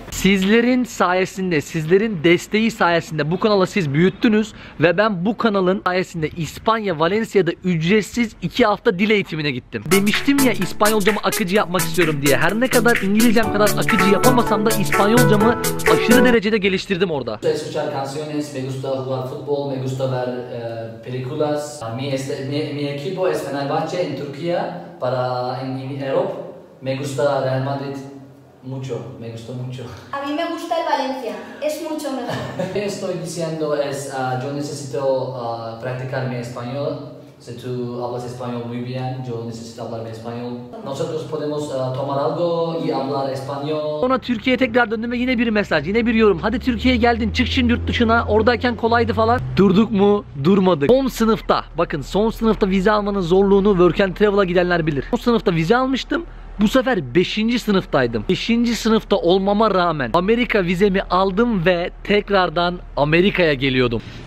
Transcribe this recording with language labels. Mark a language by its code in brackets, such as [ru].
[tr] Sizlerin sayesinde, sizlerin desteği sayesinde bu kanalı siz büyüttünüz ve ben bu kanalın sayesinde İspanya, Valencia'da ücretsiz 2 hafta dil eğitimine gittim. Demiştim ya İspanyolcamı akıcı yapmak istiyorum diye. Her ne kadar İngilizcem kadar akıcı yapamasam da İspanyolcamı aşırı derecede geliştirdim orada. [es] Escuchar canciones, me gusta jugar futbol, me gusta ver películas. Mi equipo es Fenerbahçe en Turquía para en Europa. Me gusta Real Madrid mucho, me gustó mucho. A mí me gusta el Valencia, es mucho mejor. Estoy diciendo es yo necesito practicar mi español. Si tú hablas español muy bien, yo necesito hablar español. Nosotros podemos tomar algo y hablar español. [tr] Sonra Türkiye'ye tekrar döndüm ve yine bir mesaj, yine bir yorum. Hadi Türkiye'ye geldin, çık şimdi yurt dışına. Oradayken kolaydı falan. Durduk mu? Durmadık. Son sınıfta, bakın son sınıfta vize almanın zorluğunu Work and Travel'a gidenler bilir. Son sınıfta vize almıştım. Bu sefer 5. sınıftaydım. 5. sınıfta olmama rağmen Amerika vizemi aldım ve tekrardan Amerika'ya geliyordum.